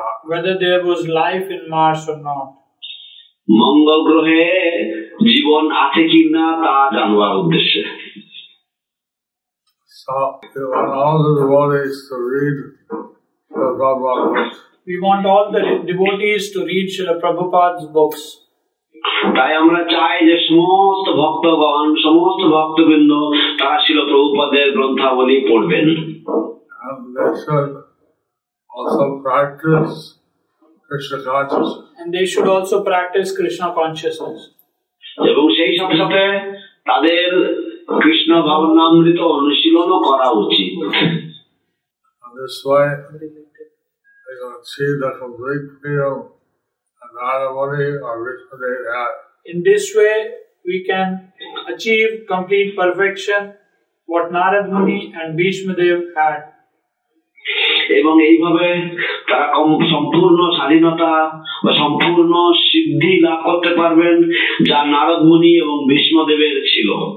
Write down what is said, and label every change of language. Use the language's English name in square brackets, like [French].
[English] Whether there was life in Mars or not. [Bangla] মঙ্গল গ্রহে জীবন আছে কি না তা জানার উদ্দেশ্যে। [English] So, we want all the devotees to read the Prabhupada's books. We want all the devotees to read Srila Prabhupada's books. [Bangla] তাই আমরা চাই যে সমস্ত ভক্তগণ, সমস্ত ভক্তবৃন্দ তারা শ্রীল প্রভুপাদের গ্রন্থাবলী পড়বেন। [English] Also practice Krishna consciousness. And they should also practice Krishna consciousness. [Bangla] এবং সেই সাথে সাথে তাদের কৃষ্ণ ভাবনামৃত অনুশীলনও করা উচিত। [English] That's why they don't see the complete view and not only or which they have. In this way, we can achieve complete perfection, what Narad Muni and Bhishma Dev had. [Bangla] এবং এইভাবে তারা সম্পূর্ণ স্বাধীনতা বা সম্পূর্ণ সিদ্ধি লাভ করতে পারবেন যা নারদ মুনি এবং ভীষ্মদেবের ছিল।